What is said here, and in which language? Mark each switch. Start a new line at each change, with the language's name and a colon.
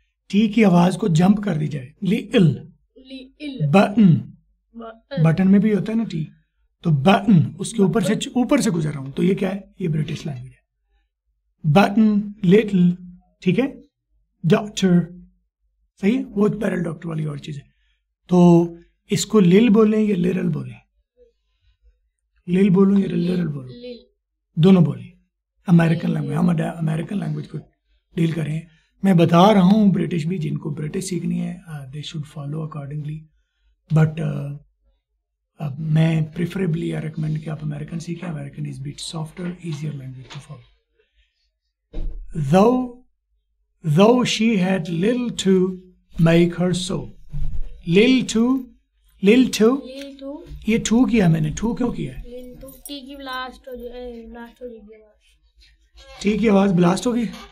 Hindi: T की आवाज को जंप कर दी जाए, लिल. बटन. बटन में भी होता है ना टी, तो बटन उसके ऊपर से गुजर रहा हूं, तो ये क्या है? ये ब्रिटिश लैंग्वेज है. बटन लिटल, ठीक है. डॉक्टर, सही है, वो पैरल डॉक्टर वाली और चीज है. तो इसको लिल बोले या लिरल बोले? लिल बोलूं या लिरल बोलूं? दोनों बोले. अमेरिकन लैंग्वेज, हम अमेरिकन लैंग्वेज को डील करें. मैं बता रहा हूं ब्रिटिश भी, जिनको ब्रिटिश सीखनी है
English: they should follow accordingly,
Hindi: but मैं प्रिफरेबली
English: I recommend
Hindi: कि आप अमेरिकन सीखें.
English: American is bit softer, easier language to follow. though she had little to make her so. Little to.
Hindi: ये टू किया मैंने, टू क्यों किया? टी की आवाज ब्लास्ट हो गई.